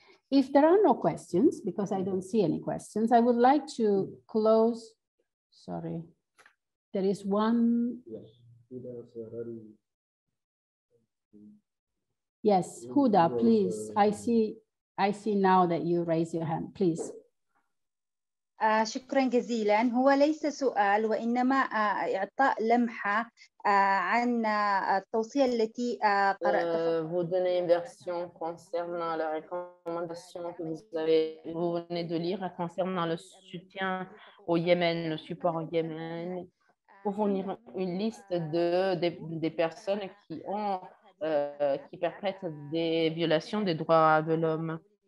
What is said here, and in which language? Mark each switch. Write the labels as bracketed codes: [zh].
[en] If there are no questions, because I don't see any questions, I would like to close. Sorry, there is one. Yes. Yes, Huda, please. I see now that you raise your hand, please. [ar] شكرا جزيلا. هو ليس سؤال وإنما إعطاء لمحة عن التوصية التي قرأت. [fr] Vous donnez une version concernant la recommandation que vous avez, vous venez de lire concernant le soutien au Yémen, le support au Yémen. Pour fournir une liste des personnes qui ont qui perpètrent des violations des droits de l'homme.